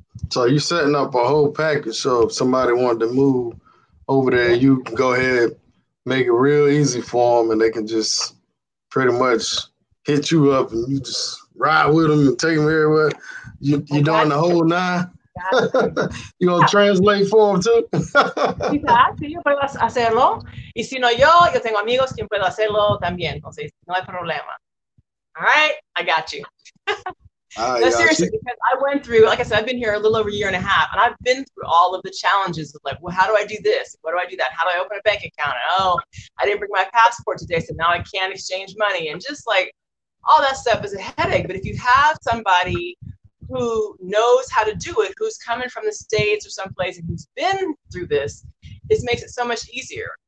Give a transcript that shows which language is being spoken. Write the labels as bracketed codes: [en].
[en] So you're setting up a whole package. So if somebody wanted to move over there, you can go ahead, make it real easy for them, and they can just pretty much hit you up and you just ride with them and take them everywhere. You're doing the whole nine. You gonna translate for them too? [es] Si yo puedo hacerlo, y si no yo, yo tengo amigos quien puedo hacerlo también. Entonces no hay problema. [en] All right, I got you. No, seriously, because I went through, like I said, I've been here a little over a year and a half, and I've been through all of the challenges of like, well, how do I do this? What do I do that? How do I open a bank account? And, oh, I didn't bring my passport today, so now I can't exchange money. And just like all that stuff is a headache. But if you have somebody who knows how to do it, who's coming from the States or someplace and who's been through this, it makes it so much easier.